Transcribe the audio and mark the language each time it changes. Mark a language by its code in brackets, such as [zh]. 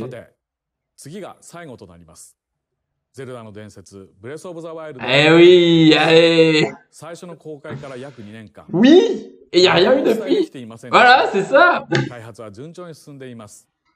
[ja] さて、次が最後となります. ゼルダの伝説 Breath of the Wild. [fr] Eh oui, allez. [ja] 最初の公開から約 2 年間. [fr] Oui, et il y a rien eu depuis. Voilà, c'est ça. [ja] 開発は順調に進んでいます.